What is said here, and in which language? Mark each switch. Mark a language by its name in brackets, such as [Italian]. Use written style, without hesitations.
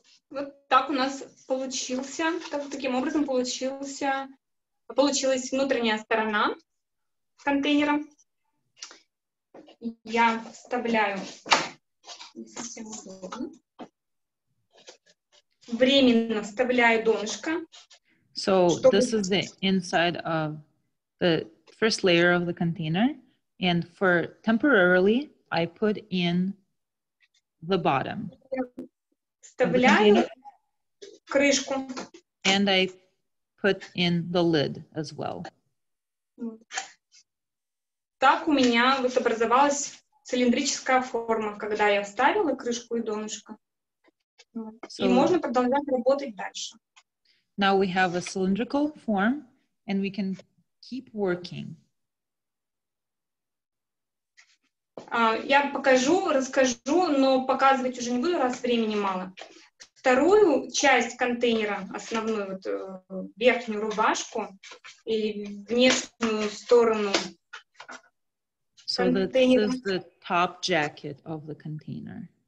[Russian] Вот так у нас получился, так, таким образом получилась внутренняя сторона контейнера. Я вставляю, не совсем удобно. Временно вставляю донышко. [English] So this is the inside of the first layer of the container. And for temporarily, I put in the bottom. [Russian] Вставляю крышку. [English] And I put in the lid as well. [Russian] Так у меня вот образовалась цилиндрическая форма, когда я вставила крышку и донышко. So, и можно продолжать работать дальше. [English] Now we have a cylindrical form and we can keep working. [Russian] Я покажу, расскажу, но показывать уже не буду, раз времени мало. Вторую часть контейнера, основную вот, верхнюю рубашку и внешнюю сторону контейнера. [English] So this is the top jacket of the container.